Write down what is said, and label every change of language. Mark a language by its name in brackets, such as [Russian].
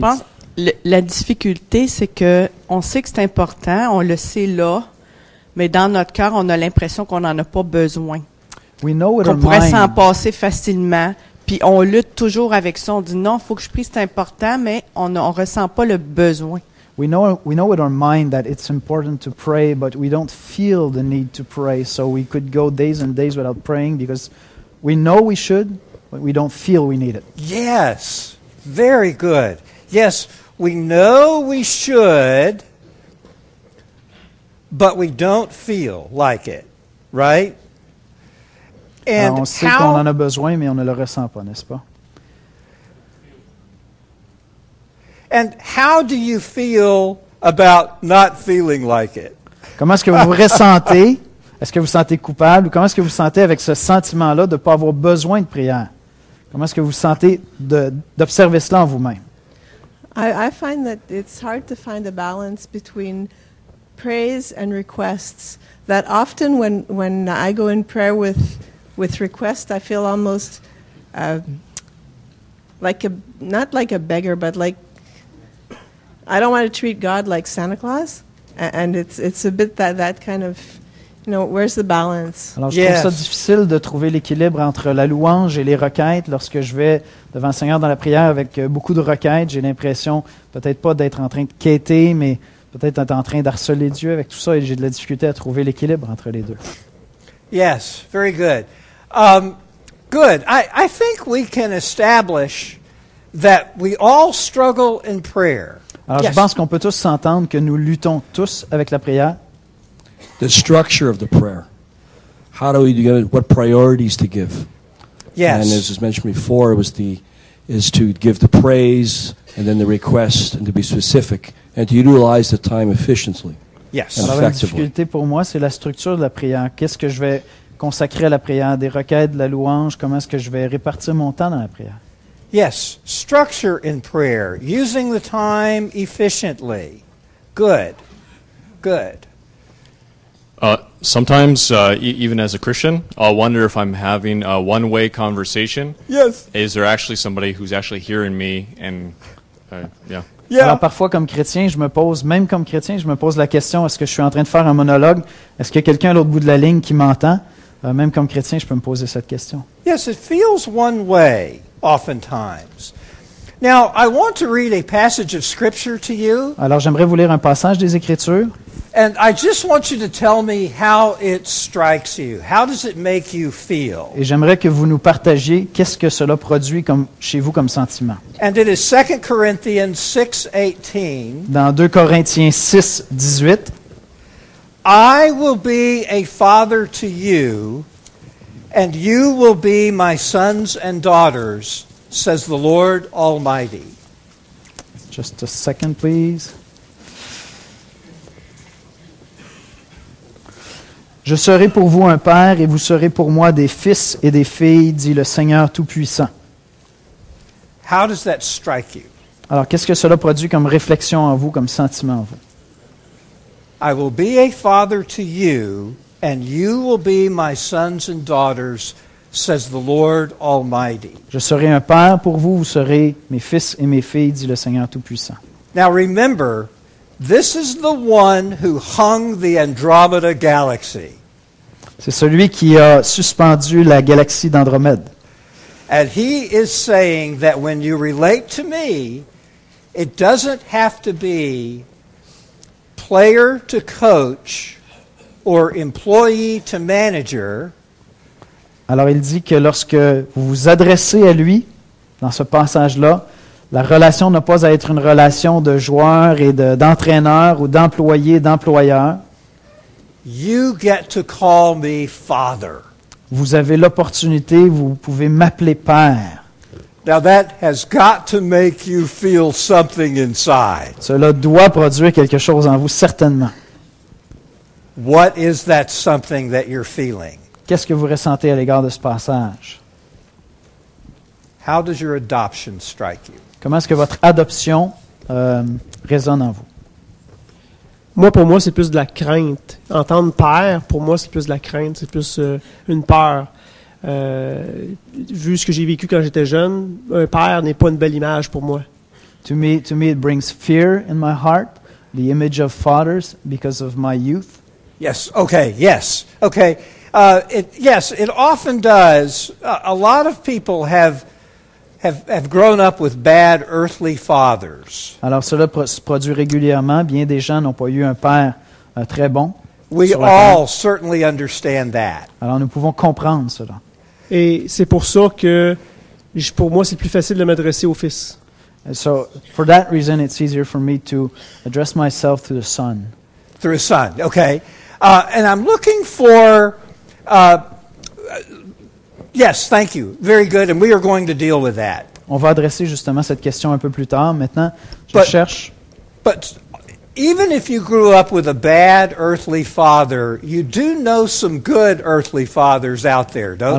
[French] Je pense, la difficulté, c'est que on sait que c'est important, on le sait là. Mais dans notre cœur, on a l'impression qu'on n'en a pas besoin. [English] We know [French] qu'on pourrait [English] mind. [French] S'en passer facilement. Puis on lutte toujours avec ça. On dit non, il faut que je prie, c'est important, mais on ne ressent pas le besoin. [English] We know with our mind that it's important to pray, but we don't feel the need to pray. So we could go days and days without praying because we know we should, but we don't feel we need it. Yes, very good. Yes, we know we should. But we don't feel like it, right? [French] And on sait qu'on en a besoin, mais on ne le ressent pas, n'est-ce pas? [English] And how do you feel about not feeling like it? [French] Comment est-ce que vous vous ressentez? Est-ce que vous vous sentez coupable? Ou comment est-ce que vous vous sentez avec ce sentiment-là de ne pas avoir besoin de prière? Comment est-ce que vous vous sentez d'observer cela en vous-même? [English] I find that it's hard to find a balance between praise and requests. That often when I go in prayer with requests, I feel almost not like a beggar, but like I don't want to treat God like Santa Claus. And it's a bit that kind of, you know, where's the balance? [French] Alors, je trouve ça difficile de trouver l'équilibre entre la louange et les requêtes. Lorsque je vais devant le Seigneur dans la prière avec beaucoup de requêtes, j'ai l'impression peut-être pas d'être en train de quêter, mais peut-être être en train d'harceler Dieu avec tout ça et j'ai de la difficulté à trouver l'équilibre entre les deux. [English] Yes, very good. Good. I think we can establish that we all struggle in prayer. [French] Alors, yes. Je pense qu'on peut tous s'entendre que nous luttons tous avec la prière. [English] The structure of the prayer. How do we do it? What priorities to give? Yes. And as was mentioned before, it was the is to give the praise and then the request and to be specific and to utilize the time efficiently. Yes. [French] Alors, la difficulté pour moi, c'est la structure de la prière. Qu'est-ce que je vais consacrer à la prière, des requêtes, de la louange, comment est-ce que je vais répartir mon temps dans la prière? [English] Yes, structure in prayer, using the time efficiently. Good, good. Sometimes, even as a Christian, I'll wonder if I'm having a one-way conversation. Yes. Is there actually somebody who's actually hearing me and, yeah. Yeah. [French] Alors parfois, comme chrétien, je me pose, même comme chrétien, je me pose la question, est-ce que je suis en train de faire un monologue? Est-ce qu'il y a quelqu'un à l'autre bout de la ligne qui m'entend? Même comme chrétien, je peux me poser cette question. [English] Yes, it feels one way, oftentimes. Now, I want to read a passage of Scripture to you. [French] Alors, j'aimerais vous lire un passage des Écritures. [English] And I just want you to tell me how it strikes you. How does it make you feel? [French] Et j'aimerais que vous nous partagiez qu'est-ce que cela produit comme, chez vous comme sentiment. [English] And it is 2 Corinthians 6:18. [French] Dans 2 Corinthiens 6:18. [English] I will be a father to you, and you will be my sons and daughters, says the Lord Almighty. Just a second, please. [French] Je serai pour vous un père, et vous serez pour moi des fils et des filles, dit le Seigneur Tout-Puissant. [English] How does that strike you? [French] Alors, qu'est-ce que cela produit comme réflexion en vous, comme sentiment en vous? [English] I will be a father to you, and you will be my sons and daughters, says the Lord Almighty. [French] Je serai un père pour vous, vous serez mes fils et mes filles, dit le Seigneur Tout-Puissant. [English] Now remember, this is the one who hung the Andromeda galaxy. [French] C'est celui qui a suspendu la galaxie d'Andromède. [English] And he is saying that when you relate to me, it doesn't have to be player to coach or employee to manager. [French] Alors il dit que lorsque vous vous adressez à lui dans ce passage-là, la relation n'a pas à être une relation de joueur et d'entraîneur ou d'employé, d'employeur. [English] You get to call me father. [French] Vous avez l'opportunité, vous pouvez m'appeler père. [English] Now that has got to make you feel something inside. [French] Cela doit produire quelque chose en vous, certainement. [English] What is that something that you're feeling? [French] Qu'est-ce que vous ressentez à l'égard de ce passage? [English] How does your adoption strike you? [French] Comment est-ce que votre adoption résonne en vous? Moi, pour moi, c'est plus de la crainte. Entendre père, pour moi, c'est plus de la crainte. C'est plus une peur. Vu ce que j'ai vécu quand j'étais jeune, un père n'est pas une belle image pour moi. [English] To me, it brings fear in my heart, the image of fathers because of my youth. Yes, okay, yes, okay. It often does. A lot of people have grown up with bad earthly fathers. [French] Alors cela se produit régulièrement. Bien des gens n'ont pas eu un père très bon. [English] We all certainly understand that. [French] Alors nous pouvons comprendre cela. Et c'est pour ça que, pour moi, c'est plus facile de m'adresser au fils. [English] So, for that reason, it's easier for me to address myself to the son. Through a son, okay. And I'm looking for, yes, thank you, very good, and we are going to deal with that. [French] On va adresser justement cette question un peu plus tard. Maintenant, je cherche. [English] But even if you grew up with a bad earthly father, you do know some good earthly fathers out there, don't